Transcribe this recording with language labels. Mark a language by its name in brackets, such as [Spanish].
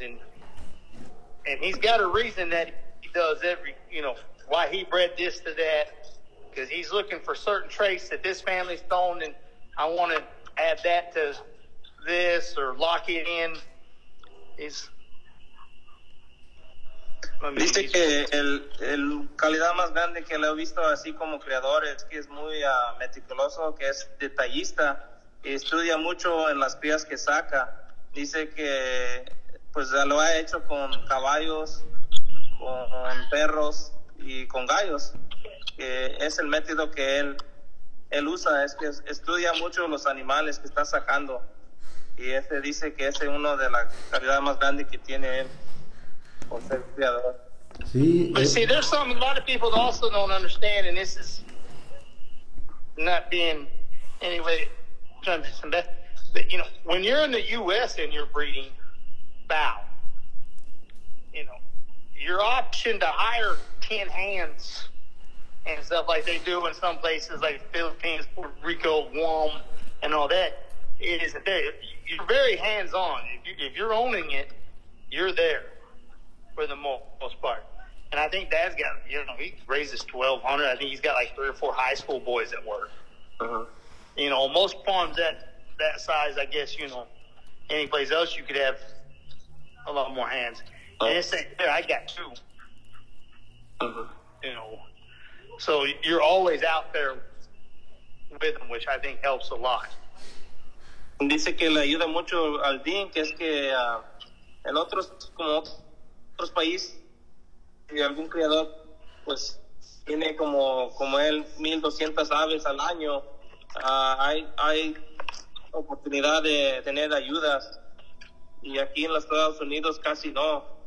[English] And he's got a reason that he does every, you know, why he bred this to that, because he's looking for certain traits that this family's thrown, and I want to add that to this or lock it in. [Spanish] Dice que el calidad más grande que le he visto así como criador es que es muy meticuloso, que es detallista, y estudia mucho en las crías que saca. Dice que pues lo ha hecho con caballos, con perros y con gallos, que es el método que él usa, es que estudia mucho los animales que está sacando, y ese dice que ese es uno de la calidad más grande que tiene él. [English] But see, there's something a lot of people also don't understand, and this is not being any way trying to say that, but you know, when you're in the U.S. and you're breeding fowl, you know, your option to hire 10 hands and stuff like they do in some places like Philippines, Puerto Rico, Guam, and all that, it isn't there. You're very hands-on. If you're owning it, you're there. For the most part. And I think Dad's got, you know, he raises 1,200. I think he's got like 3 or 4 high school boys at work. Uh-huh. You know, most farms that size, I guess, you know, any place else you could have a lot more hands. Uh-huh. And it's like, there, I got 2. Uh-huh. You know, so you're always out there with them, which I think helps a lot. [Spanish] Dice que le ayuda mucho al Dean, que es que el otro es como otros países, y algún criador pues tiene como él 1,200 aves al año, hay oportunidad de tener ayudas, y aquí en los Estados Unidos casi no,